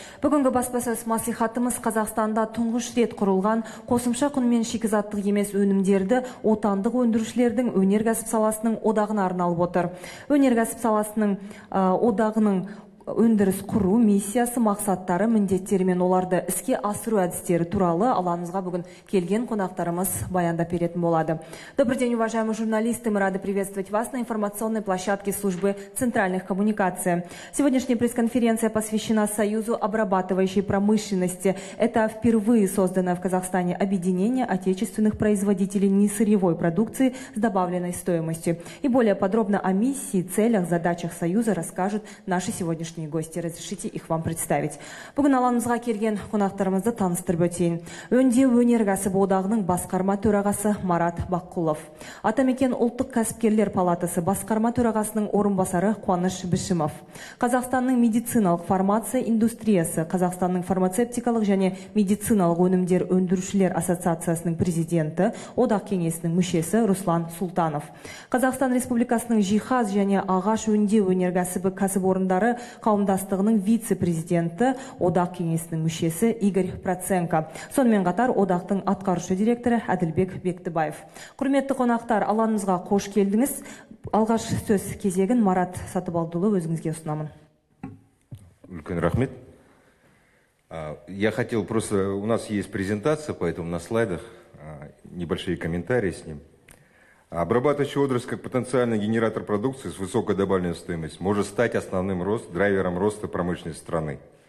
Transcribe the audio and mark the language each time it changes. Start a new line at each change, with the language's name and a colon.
Kazakh: Бүгінгі баспасөз мәслихатымыз Қазақстанда тұңғыш рет құрылған қосымша құн мен шикізаттық емес өнімдерді отандық өндірушілердің өнеркәсіп саласының одағына арналып отыр. Өнеркәсіп саласының одағының өндіріс құру миссиясы, мақсаттары, міндеттері мен оларды іске асыру әдістері туралы алаңымызға бүгін келген қонақтарымыз баяндап беретін болады.
Russian: Добрый день, уважаемые журналисты! Мы рады приветствовать вас на информационной площадке службы центральных коммуникаций. Сегодняшняя пресс-конференция посвящена Союзу обрабатывающей промышленности. Это впервые созданное в Казахстане объединение отечественных производителей несырьевой продукции с добавленной стоимостью. И более подробно о миссии, целях, задачах Союза расскажут наши сегодня сегодняшние гости. Разрешите их вам представить.
Kazakh: Бүгін алаңымызға келген қонақтарымызды таныстырып өтейін. Өңдеу өнеркәсібі одағының басқарма төрағасы Марат Баққұлов. Атамекен ұлттық кәсіпкерлер палатасы басқарма төрағасының орынбасары Қуаныш Бішімов. Қазақстанның медициналық фармация индустриясы, Қазақстанның фармацевтикалық және медициналық өнімдер өндірушілер ассоциациясының президенті, одақ кеңесінің мүшесі Руслан Султанов. Қазақстан Республикасының жиһаз және ағаш өңдеу өнеркәсібі кәсіпорындары қауымдастығының вице-президенті, одақ кеңесінің мүшесі Игорь Проценко. Сонымен қатар одақтың атқарушы директоры Әділбек Бектібаев. Құрметті қонақтар, алаңымызға қош келдіңіз. Алғаш сөз кезегін Марат Сатыбалдыұлы өзіңізге ұсынамын. Үлкен рахмет.
Russian: Я хотел просто, у нас есть презентация, поэтому на слайдах небольшие комментарии с ним. Обрабатывающая отрасль как потенциальный генератор продукции с высокой добавленной стоимостью может стать основным драйвером роста промышленности страны.